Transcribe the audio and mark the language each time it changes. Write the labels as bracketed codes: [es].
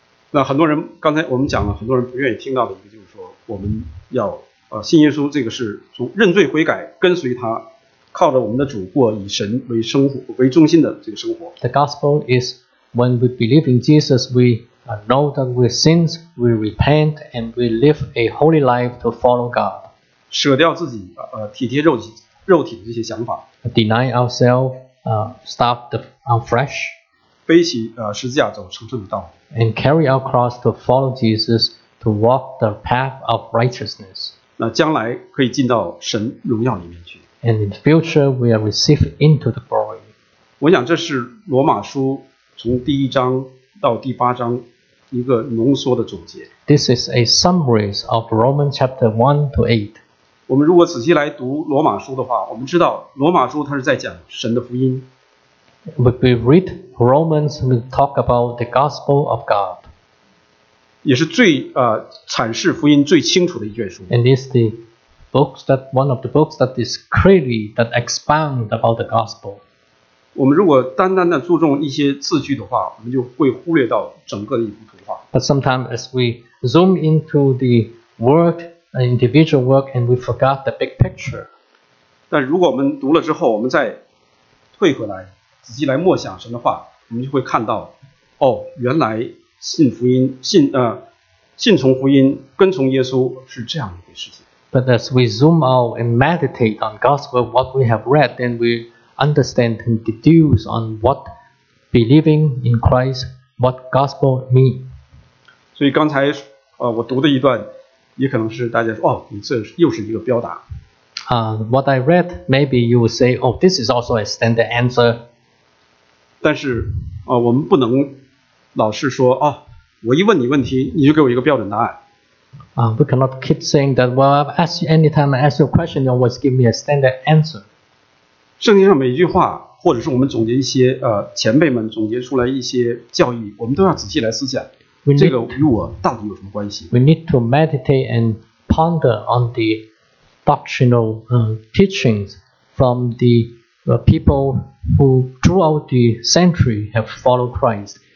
[zh] 那很多人，刚才我们讲了，很多人不愿意听到的一个就是说，我们要信耶稣，这个是从认罪悔改，跟随他，靠着我们的主过以神为生活为中心的这个生活。 [en] The gospel is when we believe in Jesus, we know that we sins, we repent, and we live a holy life to follow God. [zh] 舍掉自己体贴肉体的这些想法。 [en] Deny ourselves. Stop the flesh, [zh] 背起十字架走成圣的道路 [en] ，and carry our cross to follow Jesus to walk the path of righteousness. [zh] 那将来可以进到神荣耀里面去 [en] ，and in the future we are received into the glory. [zh] 我想这是罗马书从第一章到第八章一个浓缩的总结。 [en] This is a summary of Romans chapter 1-8. [zh] 我们如果仔细来读罗马书的话，我们知道罗马书它是在讲神的福音。 [en] We read Romans, we talk about the gospel of God. [zh] 也是最阐释福音最清楚的一卷书。 [en] And it's the books that one of the books that is clearly that expound about the gospel. [zh] 我们如果单单的注重一些字句的话，我们就会忽略到整个的一幅图画。 [en] But sometimes as we zoom into the word. An individual work, and we forgot the big picture. [zh] 但如果我们读了之后，我们再退回来，仔细来默想神的话，我们就会看到，哦，原来信福音、信从福音、跟从耶稣是这样一个事情。 [en] But as we zoom out and meditate on gospel, what we have read, then we understand and deduce on what believing in Christ, what gospel mean. [zh] 所以刚才我读的一段。也可能是大家说哦，你这又是一个标答。 [en] What I read, maybe you will say, oh, this is also a standard answer. [zh] 但是我们不能老是说哦，我一问你问题，你就给我一个标准答案。 [en] We cannot keep saying that. Well, I've asked you anytime I ask you a question, you always give me a standard answer. [zh] 圣经上每一句话，或者是我们总结一些前辈们总结出来一些教义，我们都要仔细来思想。这个与我到底有什么关系 [en] ？We need to meditate and ponder on the doctrinal teachings from the people who throughout the century have followed Christ.